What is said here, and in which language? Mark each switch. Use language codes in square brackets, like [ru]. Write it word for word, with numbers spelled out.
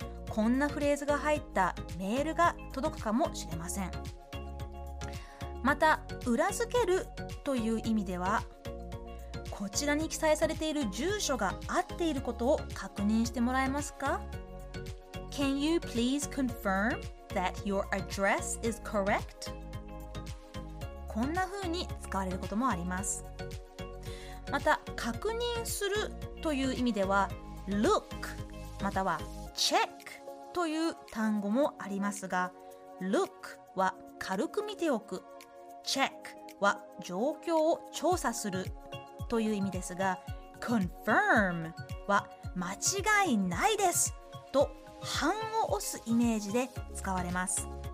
[ja] こんなフレーズが入ったメールが届くかもしれません。また裏付けるという意味では、こちらに記載されている住所が合っていることを確認してもらえますか？ [en] Can you please confirm that your address is correct? [ja] こんな風に使われることもあります。また、確認するという意味では look または check という単語もありますが、 look は軽く見ておく、 check は状況を調査するという意味ですが、 confirm は間違いないですと半を押すイメージで使われます。